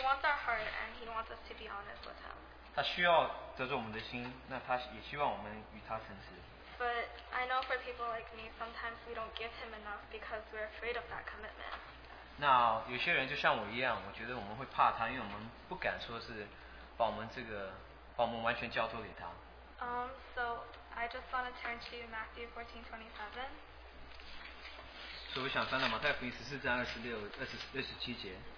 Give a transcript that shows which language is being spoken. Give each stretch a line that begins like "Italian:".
English: wants our heart and he wants us to be honest with him.
Chinese: 他需要得着我们的心，那他也希望我们与他诚实。
English: But I know for people like me, sometimes we don't give him enough because we're afraid of that commitment.
Chinese: 那有些人就像我一样，我觉得我们会怕他，因为我们不敢说是把我们完全交托给他。
English: So I just want to turn to Matthew 14:27.
Chinese: 所以我想翻到马太福音14:26-27节。